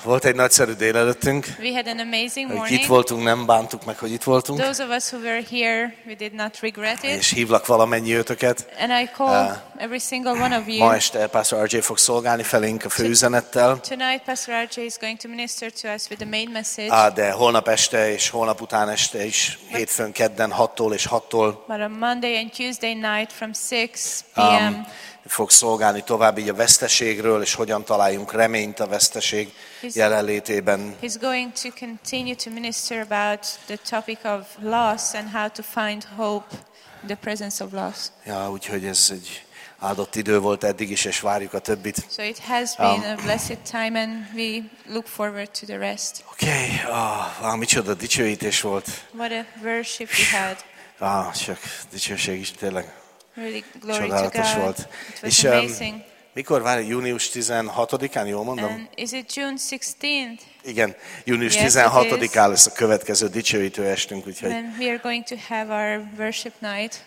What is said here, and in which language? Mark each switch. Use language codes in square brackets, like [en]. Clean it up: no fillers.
[hu] Volt egy nagyszerű délelőttünk. [en] We had an amazing morning. [hu] Itt voltunk, nem bántuk meg, hogy itt voltunk. [en] Those of us who were here, we did not regret it. [hu] És hívlak valamennyi őtöket. [en] And I call every single one of you. [hu] Ma este Pastor RJ fog szolgálni felénk a főüzenettel. [en] Tonight Pastor RJ is going to minister to us with the main message. [hu] De holnap este és holnap után este is, hétfőn, kedden, 6-tól és 6-tól. [en] But on Monday and Tuesday night from 6 p.m. [hu] Fog szolgálni tovább így a veszteségről, és hogyan találjunk reményt a veszteség jelenlétében. [en] He's going to continue to minister about the topic of loss and how to find hope in the presence of loss. [hu] Ja, úgyhogy ez egy áldott idő volt eddig is, és várjuk a többit. [en] So it has been a blessed time and we look forward to the rest. [hu] Okay, micsoda dicsőítés volt. [en] What a worship we had. [hu] Csak dicsőség is tényleg. [en] Really glory [hu] csodálatos [en] to God. [hu] Volt. És mikor várja? Június 16-án, jól mondom? [en] And is it June 16th? [hu] Igen, június 16-án lesz a következő dicsőítő estünk, úgyhogy. [en] And we are going to have our worship night.